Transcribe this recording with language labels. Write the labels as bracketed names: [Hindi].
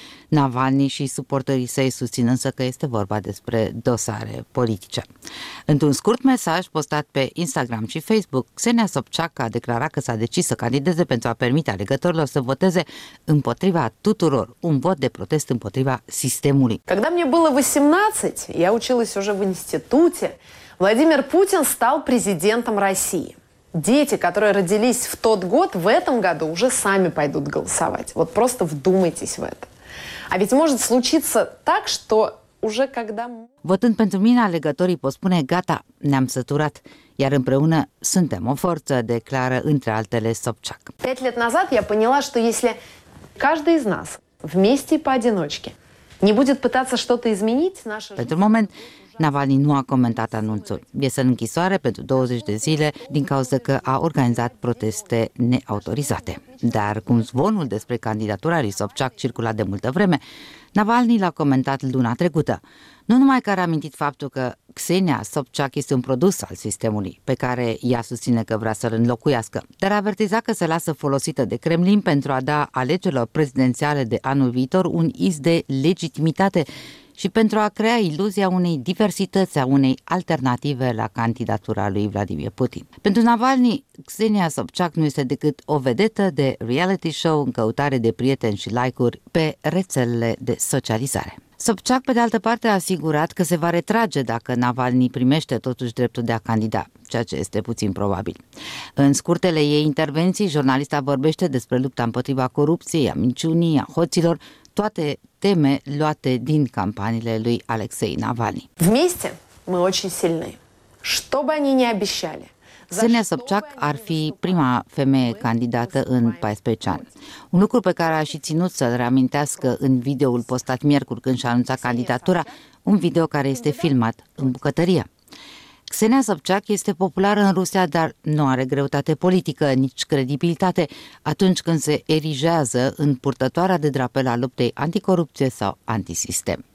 [Romanian] Navalny și suportării săi susțin însă că este vorba despre dosare politice. Într-un scurt mesaj postat pe Instagram și Facebook, Xenia Sobchak a declarat că s-a decis să candideze pentru a permite alegătorilor să voteze împotriva tuturor, un vot de protest împotriva sistemului. Când am avut 18, eu [Russian] училась уже в институте, Владимир Путин стал президентом России. Дети, которые родились в тот год, в этом году уже сами пойдут голосовать. Вот просто вдумайтесь в это. А ведь может случиться так, что уже когда... [Romanian] Votând pentru mine, alegătorii pot spune, gata, ne-am săturat, iar împreună suntem o forță, declară între altele Sobchak. [Russian] 5 лет назад я поняла, что если каждый из нас вместе и поодиночке не будет пытаться что-то изменить... [Romanian] Pentru moment... Navalny nu a comentat anunțul. Este în închisoare pentru 20 de zile din cauza că a organizat proteste neautorizate. Dar cum zvonul despre candidatura lui Sobchak circula de multă vreme, Navalny l-a comentat luna trecută. Nu numai că a amintit faptul că Xenia Sobchak este un produs al sistemului pe care ea susține că vrea să-l înlocuiască, dar a avertizat că se lasă folosită de Kremlin pentru a da alegerilor prezidențiale de anul viitor un iz de legitimitate și pentru a crea iluzia unei diversități, a unei alternative la candidatura lui Vladimir Putin. Pentru Navalny, Xenia Sobchak nu este decât o vedetă de reality show în căutare de prieteni și like-uri pe rețelele de socializare. Sobchak, pe de altă parte, a asigurat că se va retrage dacă Navalny primește totuși dreptul de a candida, ceea ce este puțin probabil. În scurtele ei intervenții, jurnalista vorbește despre lupta împotriva corupției, a minciunii, a hoților, toate teme luate din campaniile lui Alexei Navalny. [Russian] Вместе мы очень сильны, что бы они ни обещали. [Romanian] Xenia Sobchak ar fi prima femeie candidată în 14 ani. Un lucru pe care a și ținut să-l reamintească în videoul postat miercuri când și-a anunțat candidatura, un video care este filmat în bucătărie. Xenia Sobchak este populară în Rusia, dar nu are greutate politică, nici credibilitate, atunci când se erigează în purtătoarea de drapel a luptei anticorupție sau antisistem.